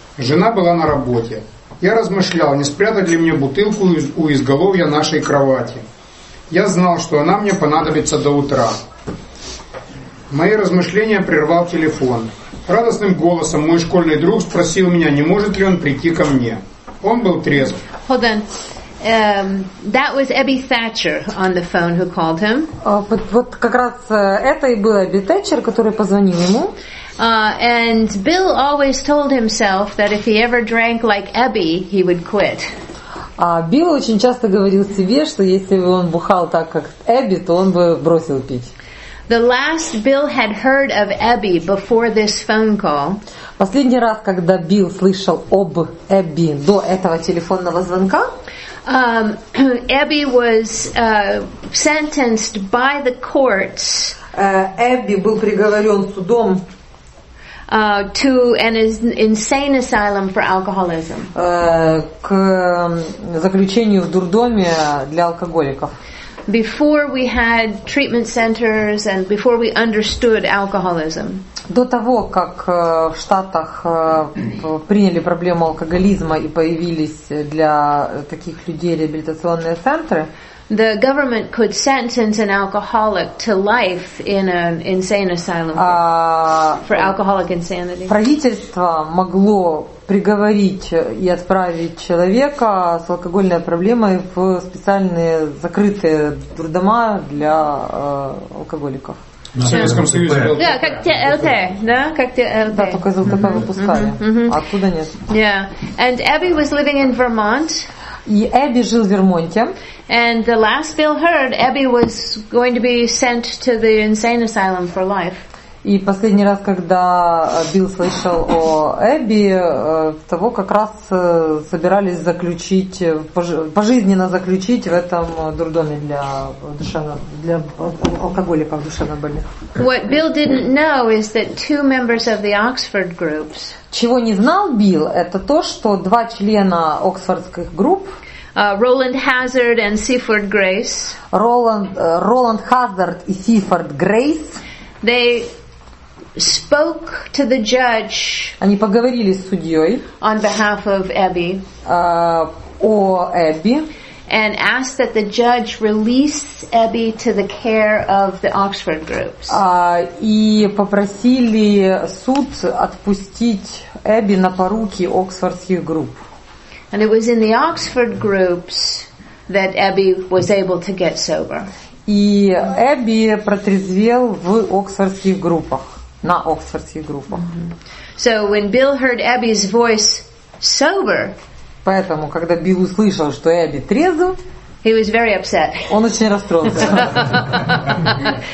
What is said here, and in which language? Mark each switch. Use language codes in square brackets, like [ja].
[ru] Жена была на работе. Я размышлял, не спрятать ли мне бутылку у изголовья нашей кровати. Я знал, что она мне понадобится до утра. Мои размышления прервал телефон. Радостным голосом мой школьный друг спросил меня, не может ли он прийти ко мне. Он был трезв. [en] Hold on. That was Abby Thatcher on the phone who called him. [ru] Вот как раз это и был Эбби Тэтчер, который позвонил ему. [en] And Bill always told himself that if he ever drank like Abby, he would quit. [ru] Билл очень часто говорил себе, что если бы он бухал так, как Эбби, то он бы бросил пить. [en] The last Bill had heard of Abby before this phone call. [ru] Последний раз, когда Билл слышал об Эбби до этого телефонного звонка, [en] Abby was sentenced by the courts. [ru] Эбби был приговорен судом. [en] To an insane asylum for alcoholism. [ru] К заключению в дурдоме для алкоголиков. [en] Before we had treatment centers and before we understood alcoholism. [ru] До того, как в Штатах приняли проблему алкоголизма и появились для таких людей реабилитационные центры, [en] the government could sentence an alcoholic to life in an insane asylum for alcoholic insanity. [ru] Правительство могло приговорить и отправить человека с алкогольной проблемой в специальные закрытые дурдома для алкоголиков. Да, только из ЛТП выпускали. Оттуда нет. [en] Yeah, and Abby was living in Vermont. [ru] И Эбби жил в Вермонте. [en] And the last Bill heard, Abby was going to be sent to the insane asylum for life. [ru] И последний раз, когда Билл слышал о Эбби, того как раз собирались заключить, пожизненно заключить в этом дурдоме для алкоголиков душевнобольных. [en] What Bill didn't know is that two members of the Oxford groups. [ru] Чего не знал Билл, это то, что два члена оксфордских групп, [en] Roland Hazard and Seaford Grace, [ru] Roland Hazard и Seaford Grace, [en] they spoke to the judge. [ru] Они поговорили с судьей. [en] On behalf of Abby. [ru] О Эбби. [en] And asked that the judge release Abby to the care of the Oxford groups. [ru] И попросили суд отпустить Эбби на поруки оксфордских групп. [en] And it was in the Oxford groups that Abby was able to get sober. [ru] И Эбби протрезвел в оксфордских группах. На оксфордских группах. [en] So when Bill heard Abby's voice sober, [ru] поэтому когда Билл услышал, что Эбби трезв, [en] he was very upset. [ru] Он очень расстроился.